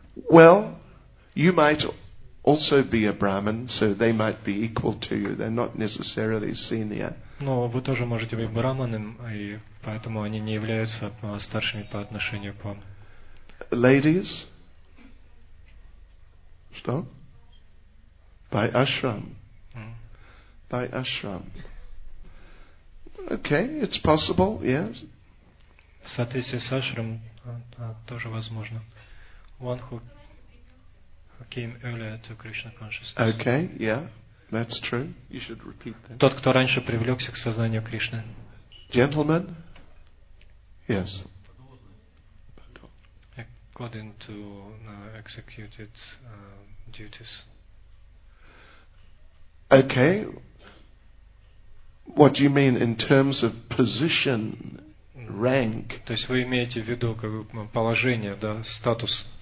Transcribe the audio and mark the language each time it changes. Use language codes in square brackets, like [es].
[en] Well, you might also be a Brahmin, so they might be equal to you. They're not necessarily senior. [ru] Но вы тоже можете быть браманом, и поэтому они не являются старшими по отношению к вам. [en] Ladies? [ru] Что? [en] By ashram. By ashram. Okay, it's possible, yes. [ru] В соответствии с ashram тоже возможно. [en] One who came earlier to Krishna consciousness. Okay, yeah. That's true. You should repeat that. [ru] Тот, кто раньше привлекся к сознанию Кришны. [en] Gentlemen? Yes. According to executed duties. Okay. What do you mean in terms of position, rank? [ru] То есть вы имеете в виду как бы положение, да, статус?